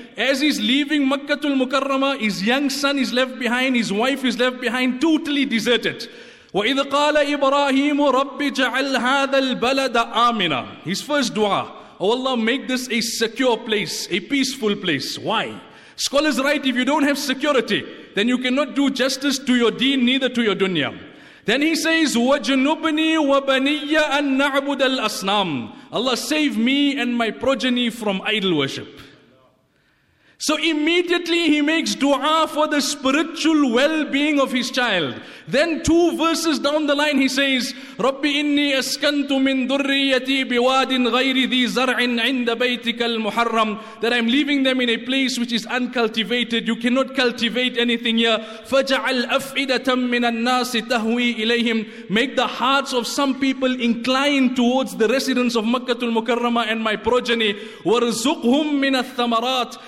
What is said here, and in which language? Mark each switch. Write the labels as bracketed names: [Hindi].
[English] As he's leaving Makkatul Mukarramah, his young son is left behind, his wife is left behind, totally deserted. [Arabic] وَإِذْ قَالَ إِبْرَاهِيمُ رَبِّ جَعَلْ هَذَا الْبَلَدَ آمِنًا. [English] His first dua, oh Allah, make this a secure place, a peaceful place. Why? Scholars write, if you don't have security, then you cannot do justice to your deen, neither to your dunya. Then he says, [Arabic] وَجْنُبْنِي وَبَنِيَّ أَن نَعْبُدَ الْأَصْنَامِ. [English] Allah, save me and my progeny from idol worship. So immediately he makes dua for the spiritual well-being of his child. Then two verses down the line he says, [Arabic] رَبِّ إِنِّي أَسْكَنْتُ مِن ذُرِّيَّتِي بِوَادٍ غَيْرِ ذِي زَرْعٍ عِنْدَ بَيْتِكَ الْمُحَرَّمِ. [English] That I'm leaving them in a place which is uncultivated. You cannot cultivate anything here. [Arabic] فَجَعَلْ أَفْئِدَةً مِنَ النَّاسِ تَهْوِي إِلَيْهِمْ. [English] Make the hearts of some people inclined towards the residents of Makkatul Mukarramah and my progeny. [Arabic] وَرْزُقْهُمْ مِنَ الثَّمَرَاتِ.